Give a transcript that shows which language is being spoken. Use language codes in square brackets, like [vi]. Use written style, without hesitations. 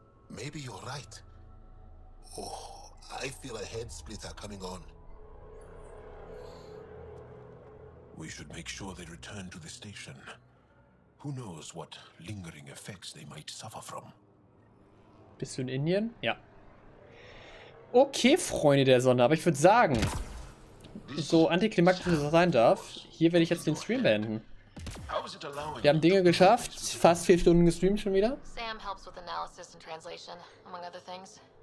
[en] Maybe you're right. Oh, I feel a head splitter coming on. We should make sure they return to the station. Who knows what lingering effects they might suffer from. [de] Bist du in Indien? Ja. Okay, Freunde der Sonne, aber ich würde sagen, so antiklimaktisch es sein darf, hier werde ich jetzt den Stream beenden. Wir haben Dinge geschafft, fast 4 Stunden gestreamt schon wieder. [en] Sam helps with analysis and translation, among other things.